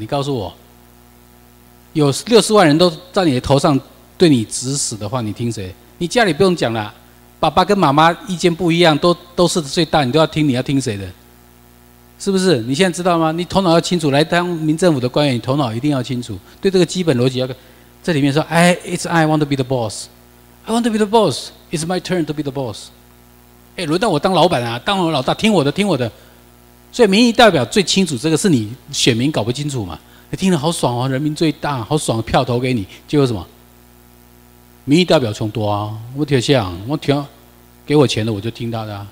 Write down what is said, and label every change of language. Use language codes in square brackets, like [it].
[zh] 你告诉我，有60万人都在你的头上对你指使的话，你听谁？你家里不用讲了，爸爸跟妈妈意见不一样，都是最大，你都要听，你要听谁的？是不是？你现在知道吗？你头脑要清楚，来当民政府的官员，你头脑一定要清楚，对这个基本逻辑要。 [en] 这里面说 ，I want to be the boss, I want to be the boss, it's my turn to be the boss。 [zh] 哎，轮到我当老板啊，当我老大，听我的，听我的。所以民意代表最清楚，这个是你选民搞不清楚嘛？你听了好爽哦，人民最大，好爽，票投给你，结果什么？民意代表穷多啊，我铁像，我听给我钱的我就听他的啊。